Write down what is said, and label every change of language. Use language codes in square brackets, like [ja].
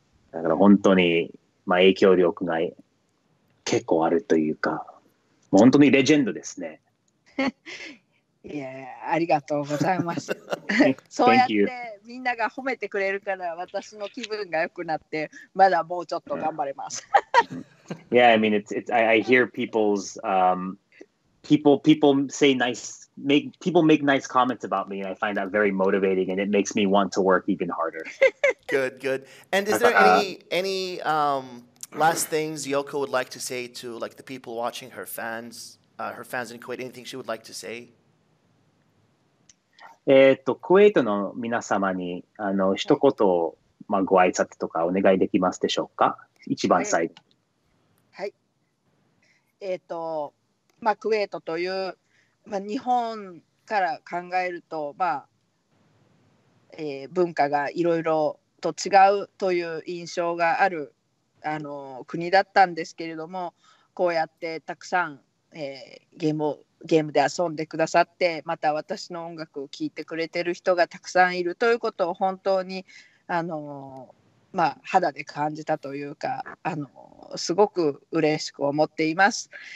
[ja] だから本当に、まあ、影響力が結構あるというか、もう本当にレジェンドですね。いやありがとうございます。そうやってみんなが褒めてくれるから私の気分が良くなってまだもうちょっと頑張れます。 [en] Yeah, I mean I hear people's people make nice comments about me, and I find that very motivating, and it makes me want to work even harder. Good, good. And is there any last things Yoko would like to say to like the people watching, her fans in Kuwait? Anything she would like to say? [ja] クウェートの皆様にあの一言、まあ、ご挨拶とかお願いできますでしょうか。一番最後、はい、はい。まあ、クウェートという、まあ、日本から考えると、まあ、文化がいろいろと違うという印象があるあの国だったんですけれども、こうやってたくさん、ゲームで遊んでくださって、また私の音楽を聴いてくれてる人がたくさんいるということを本当にあの、まあ、肌で感じたというか、あのすごく嬉しく思っています。